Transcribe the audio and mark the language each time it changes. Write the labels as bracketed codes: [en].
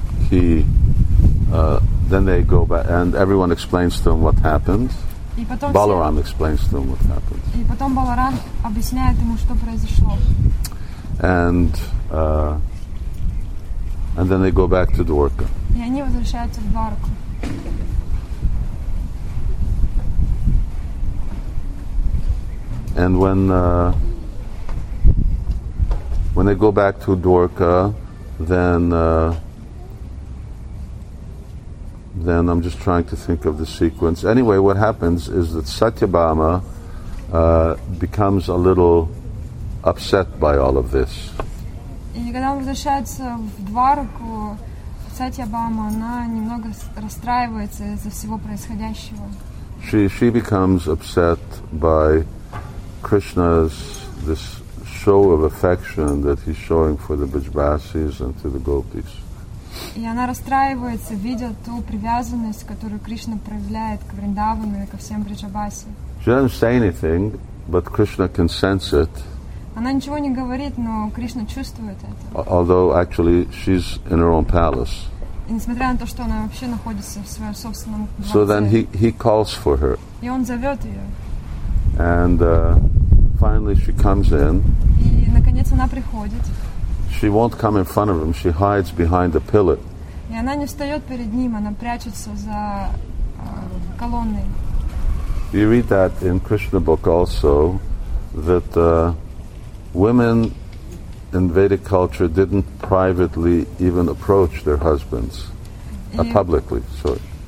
[en] And then they go back, and everyone explains to him what happened. Balaram explains to him what happened. [ru] И потом Баларам объясняет ему, что произошло. [en] And then they go back to Dwarka. [ru] И они возвращаются в Дварку. [en] And when they go back to Dwarka, then I'm just trying to think of the sequence. Anyway, what happens is that Satyabhama becomes a little upset by all of this. [ru] И когда он возвращается в Дварку, Сатьябама, она немного расстраивается из-за всего происходящего. [en] She becomes upset by Krishna's this show of affection that he's showing for the Brijbasis and to the gopis. [ru] И она расстраивается, видя ту привязанность, которую Кришна проявляет к Вриндавану и ко всем Бриджабаси. [en] She doesn't say anything, but Krishna can sense it. [ru] Она ничего не говорит, но Кришна чувствует это. [en] Although actually she's in her own palace. [ru] И несмотря на то, что она вообще находится в своем собственном дворце. [en] So then he calls for her. [ru] И он зовет ее. [en] And finally she comes in. [ru] И наконец она приходит. [en] She won't come in front of him. She hides behind the pillar. [ru] И она не встает перед ним. Она прячется за колонной. [en] You read that in Krishna book also, that women in Vedic culture didn't privately even approach their husbands, publicly, sorry.